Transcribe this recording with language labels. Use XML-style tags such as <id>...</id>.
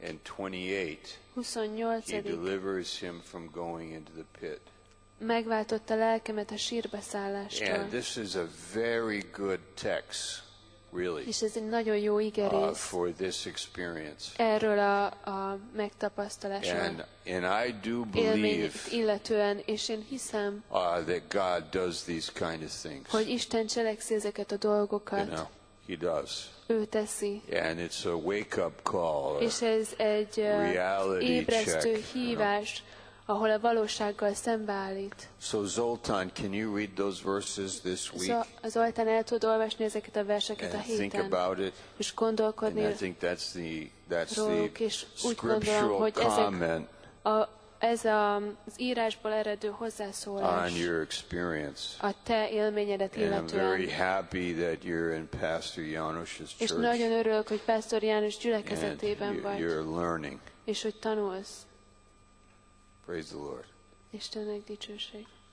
<en>and 28, he delivers him from going into the pit.</en> <hu>Megváltotta lelkemet a sírbeszállástól.</hu> <en>And this is a very good text, really.</en> <hu>És ez egy nagyon jó igerész.</hu> <en>For this experience.</en> <hu>Erről a megtapasztalásról.</hu> <en>And I do believe.</en> <hu>Illetően, és én hiszem.</hu> <en>That God does these kind of things.</en> <hu>Hogy Isten cselekszi ezeket a dolgokat.</hu> <en>You know. He does.</en> <hu>Ő teszi.</hu> <en>And it's a wake-up call.</en> <hu>És ez egy ébresztő hívás, ahol a valósággal szembeállít.</hu> <en>So Zoltán, can you read those verses this week?</en> <hu>Zoltán, el tud olvasni ezeket a verseket a héten?</hu> <en>Think about it.</en> <hu>És gondolkodni.</hu> <en>And I think that's the scriptural comment.</en> <hu>Ez az írásból eredő hozzászólás.</hu> <en>On your experience.</en> <hu>A te élményedet illetően.</hu> <en>And I'm very happy that you're in Pastor János's church.</en> <hu>És nagyon örülök, hogy Pastor János gyülekezetében vagy.</hu> <en>You're learning.</en> <hu>És hogy tanulsz.</hu> <en>Praise the Lord.</en> <hu>Istennek dicsőség.</hu>